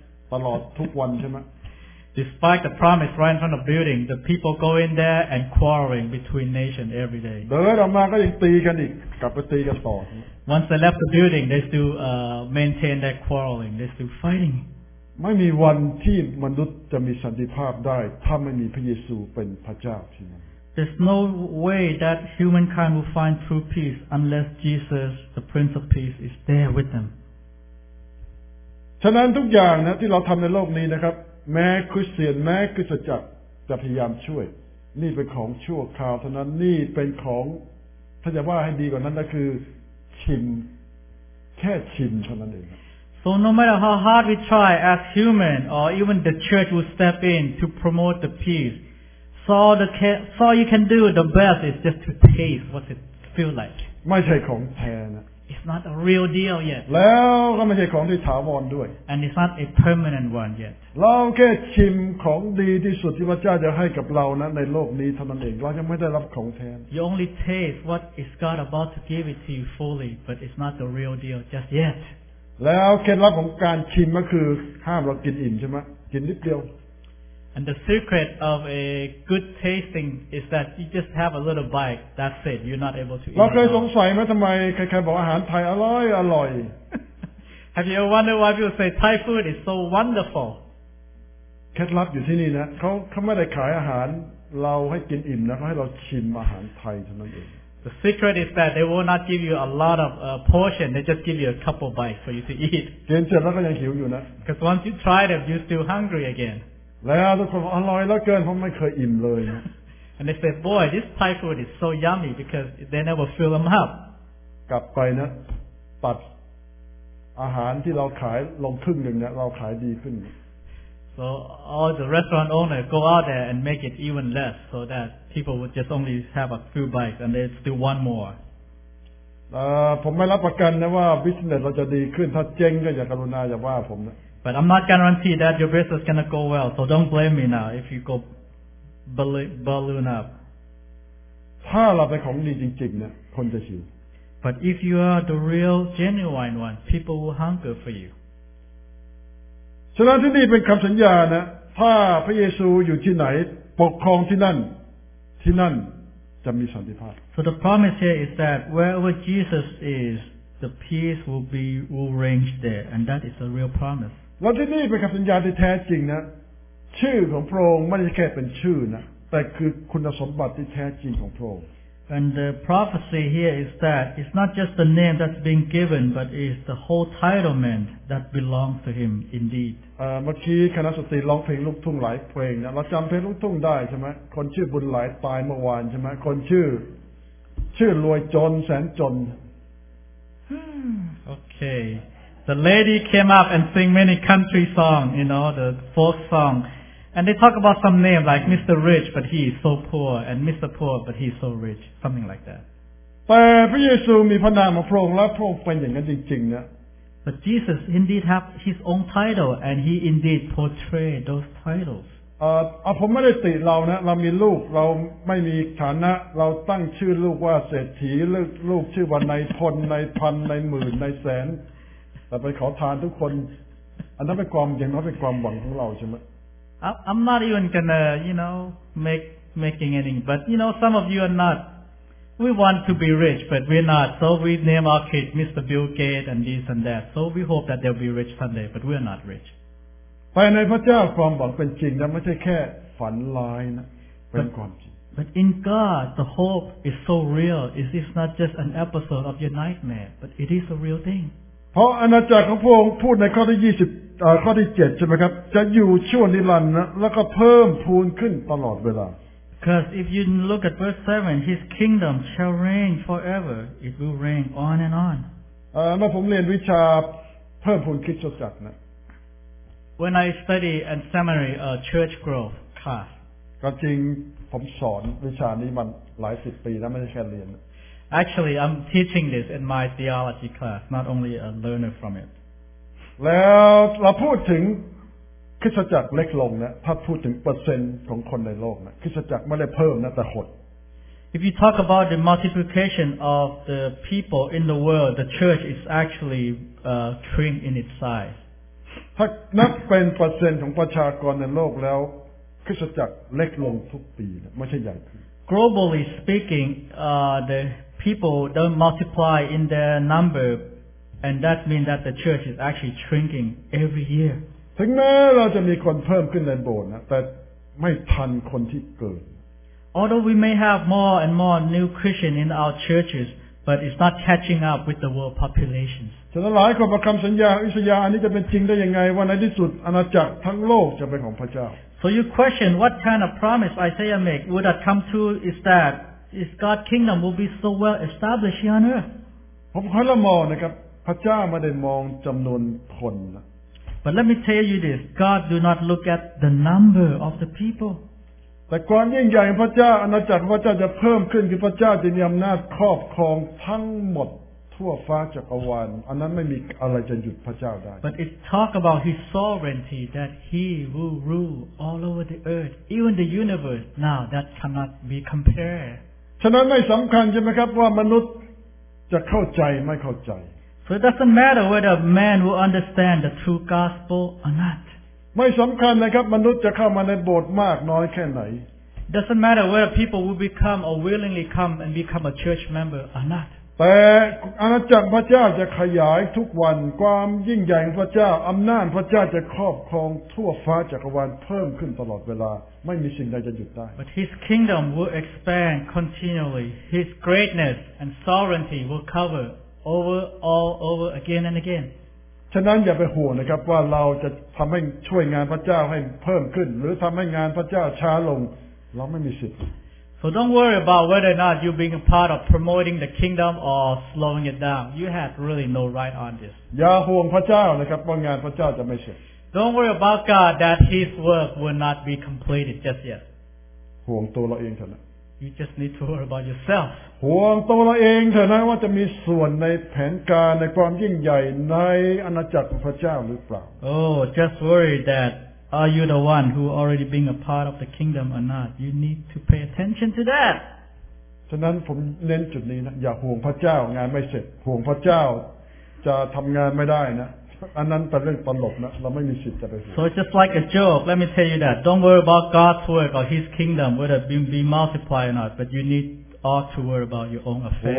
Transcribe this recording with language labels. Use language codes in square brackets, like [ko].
[en] Despite the promise right in front of the building, the people go in there and quarreling between nations every day. Once they left the building, they still maintain that quarreling. They still fighting. [th] ไม่มีวันที่มนุษย์จะมีสันติภาพได้ถ้าไม่มีพระเยซูเป็นพระเจ้าที่นั่น [en] There's no way that humankind will find true peace unless Jesus, the Prince of Peace, is there with them. [th] ฉะนั้นทุกอย่างนะที่เราทำในโลกนี้นะครับแม้คริสเตียนแม้คริสตจักรจะพยายามช่วยนี่เป็นของชั่วคราวเท่านั้นนี่เป็นของถ้าจะว่าให้ดีกว่านั้นก็คือชิมแค่ชิมเท่านั้นเอง [en] So no matter how hard we try as human or even the church will step in to promote the peace, so all you can do the best is just to taste what it feels like. It's not a real deal yet. And it's not a permanent one yet. [th] เราแค่ชิมของดีที่สุดที่พระเจ้าจะให้กับเรานะในโลกนี้เท่านั้นเองเรายังไม่ได้รับของแทน [en] You only taste what is God about to give it to you fully, but it's not the real deal just yet. [th] แล้วเคล็ดลับของการชิมก็คือห้ามเรากินอิ่มใช่ไหมกินนิดเดียว [en] And the secret of a good tasting is that you just have a little bite. That's it. You're not able to. [th] เราเคยสงสัยไหมทำไมใครๆบอกอาหารไทยอร่อย [en] ๆ Have you ever wondered why people say Thai food is so wonderful? [th] เคล็ดลับอยู่ที่นี่นะเขาไม่ได้ขายอาหารเราให้กินอิ่มนะเขาให้เราชิมอาหารไทยเท่านั้นเอง [en] The secret is that they will not give you a lot of portion. They just give you a couple bites for you to eat. [th] กินเสร็จแล้วก็ยังหิวอยู่นะ [en] Because once you try them, you're still hungry again. [th] แล้วทุกคนอร่อยแล้วเกินเพราะไม่เคยอิ่มเลย [en] And they say, boy, this Thai food is so yummy because they never fill them up. [th] กลับไปนะตัดอาหารที่เราขายลงครึ่งหนึ่งเนี่ยเราขายดีขึ้น [en] So all the restaurant owners go out there and make it even less so that.People would just only have a few bites and they still want more. [th] ผมไม่รับประกันนะว่าบิสเนสเราจะดีขึ้นถ้าเจ๊งก็อย่ากรุณาอย่าว่าผมนะ [en] But I'm not guarantee that your business gonna go well so don't blame me now if you go balloon up [th] ถ้าเราเป็นของดีจริงๆเนี่ยคนจะชื่น [en] But if you are the real genuine one people will hunger for you [th] ฉะนั้นที่นี่เป็นคำสัญญานะถ้าพระเยซูอยู่ที่ไหนปกครองที่นั่นที่นั่นจะมีสันติภาพ [en] So the promise here is that wherever Jesus is, the peace will reign there, and that is a real promise. [th] แล้วที่นี่เป็นคำสัญญาที่แท้จริงนะชื่อของพระองค์ไม่ใช่แค่เป็นชื่อนะแต่คือคุณสมบัติที่แท้จริงของพระองค์ [en] And the prophecy here is that it's not just the name that's being given, but it's the whole titlement that belongs to him indeed. [th] เมื่อกี้คณะสตรีร้องเพลงลูกทุ่งหลายเพลงนะเราจำเพลงลูกทุ่งได้ใช่ไหมคนชื่อบุญหลายตายเมื่อวานใช่ไหมคนชื่อรวยจนแสนจน [en] Okay the lady came up and sing many country song you know the folk song and they talk about some name like Mr. Rich but he is so poor and Mr. Poor but he is so rich something like that [th] แต่พระเยซูมีพระนามของพระองค์และพระองค์เป็นอย่างนั้นจริงๆนะ [en] But Jesus indeed have his own title and he indeed portray those titles [th] ผมไม่ได้ติเรานะเรามีลูกเราไม่มีฐานะเราตั้งชื่อลูกว่าเศรษฐีลูกชื่อว่านายพลในพันในหมื่นในแสนแต่ไปขอทานทุกคนอันนั้นเป็นความอย่างน้อยเป็นความหวังของเราใช่ไหม [en] I'm not even gonna you know making anything but you know some of you are not we want to be rich but we're not so we name our kid Mr. Bill Gates and this and that so we hope that they'll be rich someday but we're not rich [th] แต่ในพระเจ้าความหวังเป็นจริงนะไม่ใช่แค่ฝันลายนะเป็นความจริง [en] But in God the hope is so real it is not just an episode of your nightmare but it is a real thing [th] เพราะอาณาจักรของพระองค์พูดในข้อที่20ข้อที่7ใช่ไหมครับจะอยู่ชั่วนิรันดร์แล้วก็เพิ่มพูนขึ้นตลอดเวลา [en] Because if you look at verse 7 his kingdom shall reign forever it will reign on and on [th] เมื่อผมเรียนวิชาเพิ่มพูนคริสตจักรนะ [en] When I study and seminary a church growth class. [th] ก็จริงผมสอนวิชานี้มันหลายสิบปีแล้วไม่ใช่แค่เรียน [en] Actually, I'm teaching this in my theology class, not only a learner from it. [th] แล้วเราพูดถึงคริสตจักรเล็กลงนะถ้าพูดถึงเปอร์เซ็นต์ของคนในโลกนะคริสตจักรไม่ได้เพิ่มนะแต่หด [en] If you talk about the multiplication of the people in the world, the church is actually shrinking in its size. [th] ถ้านับเป็นเปอร์เซ็นต์ของประชากรในโลกแล้วคริสตจักรเล็กลงทุกปีนะไม่ใช่ใหญ่ขึ้น [en] Globally speaking the people don't multiply in their number and that means that the church is actually shrinking every year [th] ถึงแม้เราจะมีคนเพิ่มขึ้นในโบสถ์นะแต่ไม่ทันคนที่เกิด [en] Although we may have more and more new Christian in our churchesBut it's not catching up with the world populations. [th] ฉะนั้นหลายคนประคำสัญญาอิสยาห์อันนี้จะเป็นจริงได้ยังไงว่าในที่สุดอาณาจักรทั้งโลกจะเป็นของพระเจ้า [en] So you question what kind of promise Isaiah make would that come to is that is God's kingdom will be so well established here on earth? [th] ผมค่อยละมองนะครับพระเจ้าไม่ได้มองจำนวนคนนะ [en] But let me tell you this God do not look at the number of the people [th] แต่ความยิ่งใหญ่ของพระเจ้าอาณาจักรพระเจ้าจะเพิ่มขึ้นคือพระเจ้าจะมีอำนาจครอบครองทั้งหมดทั่วฟ้าจักรวาลอันนั้นไม่มีอะไรจะหยุดพระเจ้าได้ [en] But it talk about his sovereignty that he will rule all over the earth even the universe now that cannot be compared [th] ฉะนั้นไม่สำคัญใช่ไหมครับว่ามนุษย์จะเข้าใจไม่เข้าใจ [en] So it doesn't matter whether man will understand the true gospel or not [th] ไม่สำคัญนะครับมนุษย์จะเข้ามาในโบสถ์มากน้อยแค่ไหน [en] Doesn't matter whether people will become or willingly come and become a church member or not [th] แต่อาณาจักรพระเจ้าจะขยายทุกวันความยิ่งใหญ่พระเจ้าอำนาจพระเจ้าจะครอบครองทั่วฟ้าจักรวาลเพิ่มขึ้นตลอดเวลาไม่มีสิ่งใดจะหยุดได้ [en] But his kingdom will expand continually his greatness and sovereignty will cover over all over again and again [th] ฉะนั้นอย่าไปห่วงนะครับว่าเราจะทำให้ช่วยงานพระเจ้าให้เพิ่มขึ้นหรือทำให้งานพระเจ้าช้าลงเราไม่มีสิทธิ์ [en] So don't worry about whether or not you being a part of promoting the kingdom or slowing it down. You have really no right on this. [th] อย่าห่วงพระเจ้านะครับว่างานพระเจ้าจะไม่เสร็จ [en] Don't worry about God that His work will not be completed just yet. [th] ห่วงตัวเราเองเถอะนะ [en] You just need to worry about yourself. [th] ห่วงตัวเราเองเถอะนะว่าจะมีส่วนในแผนการในความยิ่งใหญ่ในอาณาจักรของพระเจ้าหรือเปล่า [en] Oh, just worry that are you the one who already being a part of the kingdom or not? You need to pay attention to that. [th] ฉะนั้นผมเน้นจุดนี้นะอย่าห่วงพระเจ้างานไม่เสร็จห่วงพระเจ้าจะทำงานไม่ได้นะอันนั้นเป็นเรื่องตลกนะเราไม่มีสิทธิ์จะไปห่วง [en] So just like a joke let me tell you that don't worry about God's work or His kingdom whether be multiplied or not but you need all to worry about your own affairs